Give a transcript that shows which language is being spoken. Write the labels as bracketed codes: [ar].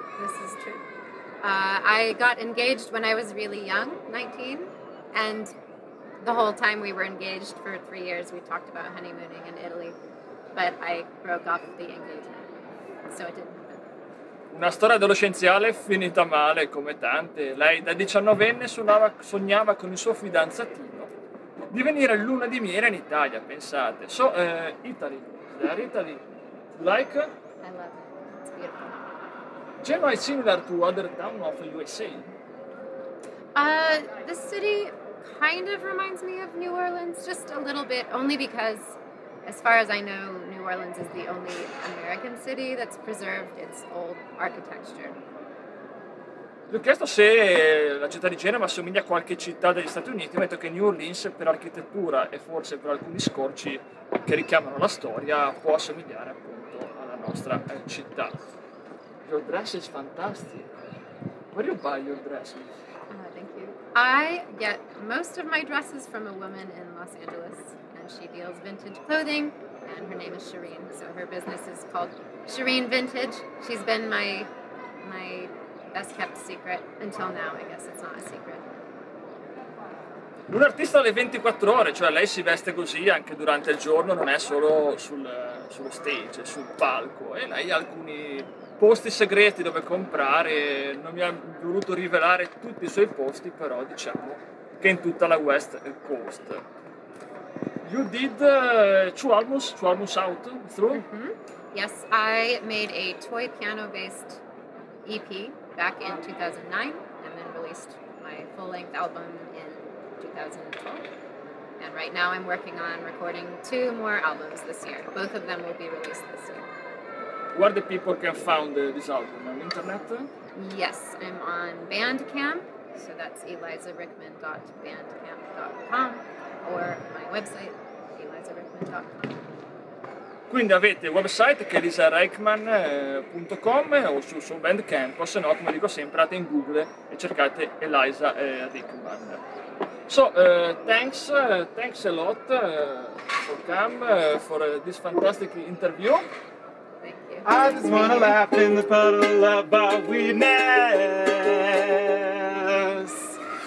[en] This is true. I got engaged when I was really young, 19, and the whole time we were engaged for 3 years, we talked about honeymooning in Italy, but I broke off the engagement, so it didn't happen. [it] una storia adolescenziale finita male, come tante. Lei da 19enne sognava con il suo fidanzatino di venire luna di miele in Italia, pensate. [en] So, Italy, there Italy, like? I love it, it's beautiful. Genoa is similar to other town of the USA. This city kind of reminds me of New Orleans, just a little bit, only because, as far as I know, New Orleans is the only American city that's preserved its old architecture. [it] Gli ho chiesto se la città di Genova assomiglia a qualche città degli Stati Uniti, ma ho detto che New Orleans, per architettura e forse per alcuni scorci che richiamano la storia, può assomigliare appunto alla nostra città. [en] Your dress is fantastic. Where do you buy your dresses? I get most of my dresses from a woman in Los Angeles, and she deals vintage clothing, and her name is Shireen, so her business is called Shireen Vintage. She's been my best-kept secret until now. I guess it's not a secret. [it] Un artista alle 24 ore, cioè lei si veste così anche durante il giorno, non è solo sullo stage, sul palco, e lei ha alcuni posti segreti dove comprare, non mi ha voluto rivelare tutti i suoi posti, però diciamo che in tutta la West Coast. [en] You did two albums out through? Mm-hmm. Yes, I made a toy piano based EP back in 2009 and then released my full length album in 2012. And right now I'm working on recording two more albums this year. Both of them will be released this year. Where the people can find this album? On the internet? Yes, I'm on Bandcamp, so that's elizarickman.bandcamp.com or my website, elizarickman.com. [it] Quindi avete il website che è elizarickman.com o su Bandcamp, o se no, come dico sempre, andate in Google e cercate Eliza Rickman. [en] So, thanks a lot for coming for this fantastic interview. I just wanna laugh in the puddle of our weirdness.